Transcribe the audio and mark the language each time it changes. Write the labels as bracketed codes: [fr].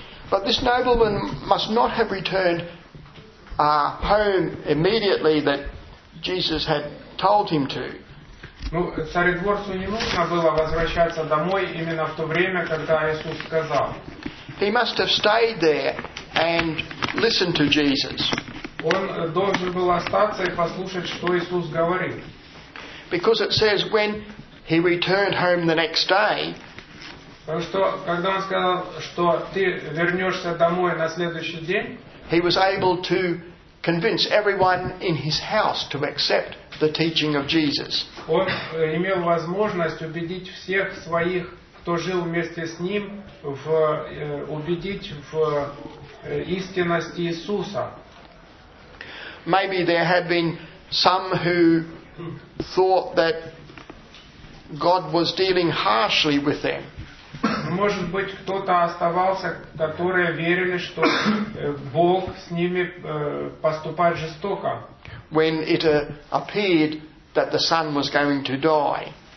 [en] But this nobleman must not have returned home immediately that Jesus had told him to. [ru] Ну, царедворцу не нужно было возвращаться домой именно в то время, когда Иисус сказал. [en] He must have stayed there and listened to Jesus. [ru] Он должен был остаться и послушать, что Иисус говорил. [en] Because it says when he returned home the next day. [ru] Потому что когда он сказал, что ты вернешься домой на следующий день, [en] he was able to convince everyone in his house to accept the teaching of Jesus. [ru] Он имел возможность убедить всех своих, кто жил вместе с ним, убедить в истинности Иисуса. [en] Maybe there had been some who thought that God was dealing harshly with them. [ru] Может быть, кто-то оставался, которые верили, что Бог с ними поступает жестоко. [en] When it appeared that the son was going to die.